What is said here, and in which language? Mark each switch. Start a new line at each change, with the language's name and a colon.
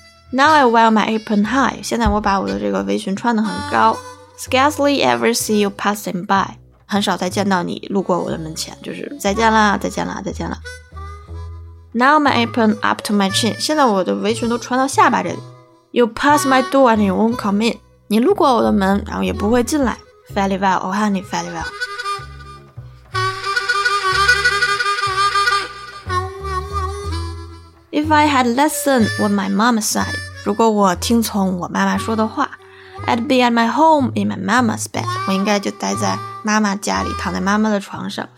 English: Now I wear my apron high，
Chinese: 现在我把我的这个围裙穿得很高。
English: Scarcely ever see you passing by，
Chinese: 很少再见到你路过我的门前，就是再见啦，再见啦，再见啦。
English: Now my apron up to my chin.
Chinese: 现在我的围裙都穿到下巴这里。
English: You pass my door and you won't come in.
Chinese: 你路过我的门，然后也不会进来。
English: Fairly well, oh honey, fairly well. If I had listened what my mama said,
Chinese: 如果我听从我妈妈说的话
English: I'd be at my home in my mama's bed.
Chinese: 我应该就待在妈妈家里，躺在妈妈的床上。